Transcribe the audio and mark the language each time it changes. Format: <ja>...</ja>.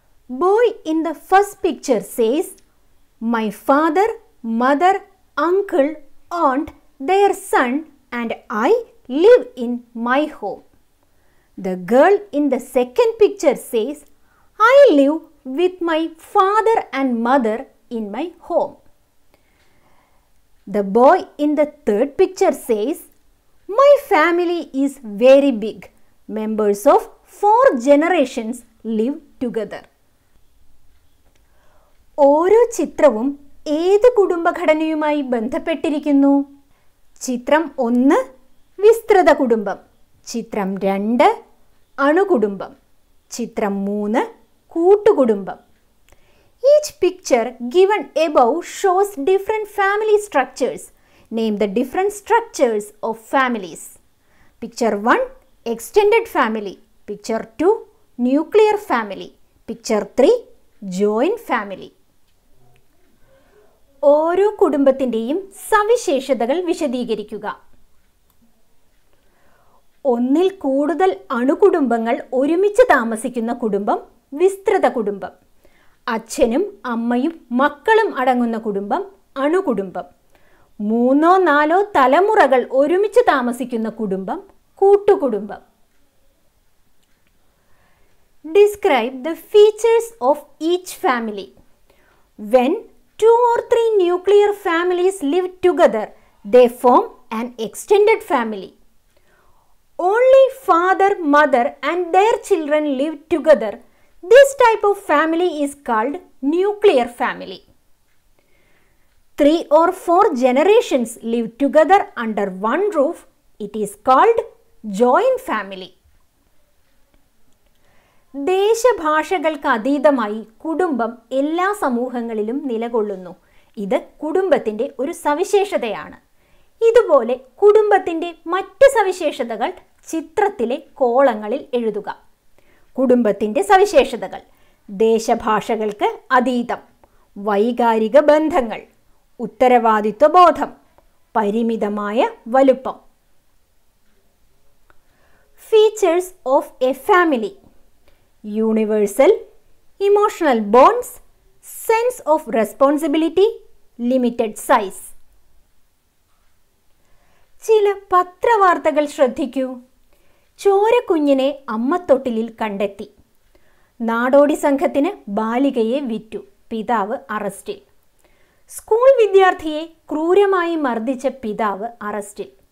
<en>Boy in the first picture says my father, mother, uncle, aunt, their son and I live in my home. The girl in the second picture says I live with my father and mother in my home. The boy in the third picture says, My family is very big. Members of 4 generations live together.</en> <ml>ഓരോ ചിത്രവും ഏത് കുടുംബഘടനയുമായി ബന്ധപ്പെട്ടിരിക്കുന്നു? ചിത്രം 1, വിസ്തൃത കുടുംബം. ചിത്രം 2, അണുകുടുംബം. ചിത്രം 3, കൂട്ടുകുടുംബം.</ml> <en>Each picture given above shows different family structures. Name the different structures of families. Picture 1, extended family. Picture 2, nuclear family. Picture 3, joint family.</en> <ml>ഓരോ കുടുംബത്തിൻ്റെയും സവിശേഷതകൾ വിശദീകരിക്കുക. ഒന്നിൽ കൂടുതൽ അണുകുടുംബങ്ങൾ ഒരുമിച്ച് താമസിക്കുന്ന കുടുംബം വിസ്തൃത കുടുംബം. അച്ഛനും അമ്മയും മക്കളും അടങ്ങുന്ന കുടുംബം അണുകുടുംബം. മൂന്നോ നാലോ തലമുറകൾ ഒരുമിച്ച് താമസിക്കുന്ന കുടുംബം കൂട്ടുകുടുംബം.</ml> <en>Describe the features of each family. When two or three nuclear families live together, they form an extended family. Only father, mother and their children live together. This type of family is called nuclear family. Three or four generations live together under one roof. It is called joint family.</en> <ml>ദേശഭാഷകൾക്ക് അതീതമായി കുടുംബം എല്ലാ സമൂഹങ്ങളിലും നിലകൊള്ളുന്നു. ഇത് കുടുംബത്തിൻ്റെ ഒരു സവിശേഷതയാണ്. ഇതുപോലെ കുടുംബത്തിൻ്റെ മറ്റ് സവിശേഷതകൾ ചിത്രത്തിലെ കോളങ്ങളിൽ എഴുതുക. കുടുംബത്തിൻ്റെ സവിശേഷതകൾ: ദേശഭാഷകൾക്ക് അതീതം, വൈകാരിക ബന്ധങ്ങൾ, ഉത്തരവാദിത്വ ബോധം, പരിമിതമായ വലുപ്പം.</ml> <en>Features of a family: universal, emotional bonds, sense of responsibility, limited size.</en> <ml>ചില പത്രവാർത്തകൾ ശ്രദ്ധിക്കൂ. ചോരക്കുഞ്ഞിനെ അമ്മത്തൊട്ടിലിൽ കണ്ടെത്തി. നാടോടി സംഘത്തിന് ബാലികയെ വിറ്റു. പിതാവ് അറസ്റ്റിൽ. സ്കൂൾ വിദ്യാർത്ഥിയെ ക്രൂരമായി മർദ്ദിച്ച പിതാവ് അറസ്റ്റിൽ.</ml>